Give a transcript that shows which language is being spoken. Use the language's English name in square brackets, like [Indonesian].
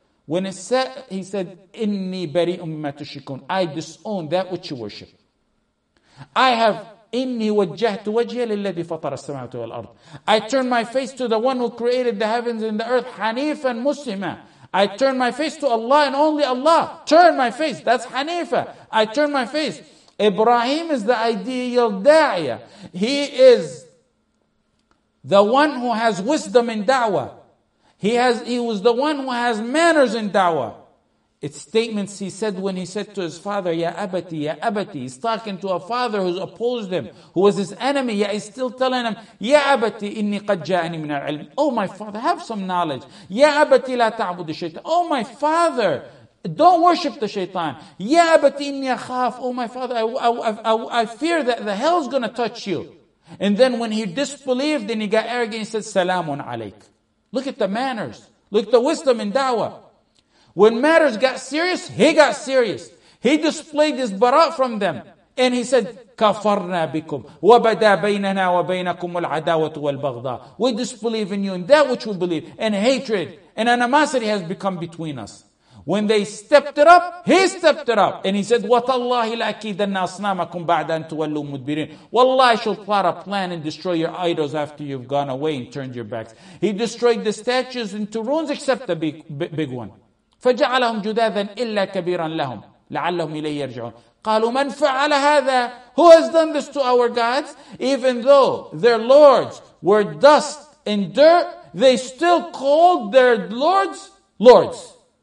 [English] When it set, he said, [Arabic] إِنِّي بَرِئٌ مِمَّا تُشْرِكُونَ. [English] I disown that which you worship. I have [Arabic] إِنِّي وَجَّهْتُ وَجْهِيَ لِلَّذِي فَطَرَ السَّمَاوَاتِ وَالْأَرْضِ. [English] I turn my face to the one who created the heavens and the earth, [Arabic] حَنِيفًا مُسْلِمًا. [English] I turn my face to Allah and only Allah. Turn my face. That's Hanifa. I turn my face. Ibrahim is the ideal da'iyah. He is the one who has wisdom in da'wah. He was the one who has manners in da'wah. It's statements he said when he said to his father, [Arabic] Ya Abati, Ya Abati. [English] He's talking to a father who's opposed him, who was his enemy, yet he's still telling him, [Arabic] Ya Abati, inni qad ja'ani min al-'ilm. [English] Oh my father, have some knowledge. [Arabic] Ya Abati, la ta'budu shaytan. [English] Oh my father, don't worship the shaytan. [Arabic] Ya Abati, inni akhaf. [English] Oh my father, I fear that the hell's gonna touch you. And then when he disbelieved, then he got arrogant, he said, Salamun alayk. Look at the manners. Look at the wisdom in da'wah. When matters got serious, he got serious. He displayed his bara' from them. And he said, [Arabic] كَفَرْنَا بِكُمْ وَبَدَى بَيْنَنَا وَبَيْنَكُمُ الْعَدَاوَةُ وَالْبَغْضَاءُ. [English] We disbelieve in you and that which we believe. And hatred and animosity has become between us. When they stepped it up, he stepped it up. And he said, [Arabic] وَتَاللَّهِ لَأَكِيدَنَّ أَصْنَامَكُمْ بَعْدَ أَن تُوَلُّوا مُدْبِرِينَ. [English] Wallahi, I shall plot a plan and destroy your idols after you've gone away and turned your backs. He destroyed the statues into ruins except the big one. [Arabic] فَجَعَلَهُمْ جُدَاذًا إِلَّا كَبِيرًا لَهُمْ لَعَلَّهُمْ إِلَيْهِ يَرْجِعُونَ. قَالُوا مَنْ فَعَلَ هَذَا. [English] Who has done this to our gods? Even though their lords were dust and dirt, they still called their lords, lords.